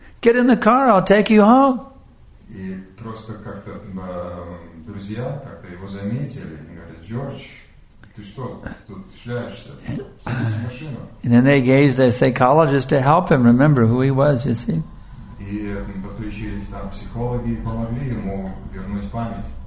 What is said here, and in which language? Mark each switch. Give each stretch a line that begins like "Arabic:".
English: Get in the car, I'll take you home.
Russian: И просто как-то друзья как-то его заметили. Говорят, Джордж, ты что, тут шляешься?
English: And then they engaged a psychologist to help him remember who he was, you see.
Russian: И подключились там психологи и помогли ему вернуть память.